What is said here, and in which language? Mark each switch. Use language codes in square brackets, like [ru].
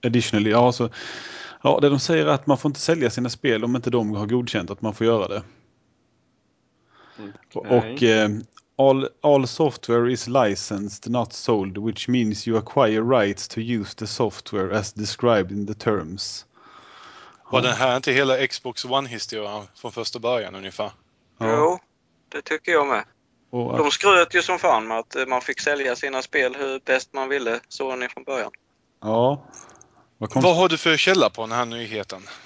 [sv] Ja, så, ja, det de säger är att man får inte sälja sina spel om inte de har godkänt att man får göra det. Okay. [en] Och all software is licensed, not sold, which means you acquire rights to use the software as described in the terms. [sv] Var det här inte hela Xbox One-historien från första början ungefär? Ja. Jo, det tycker jag med. De skröt ju som fan med att man fick sälja sina spel hur bäst man ville, så är ni från början. Ja. Vad har du för källa på den här nyheten?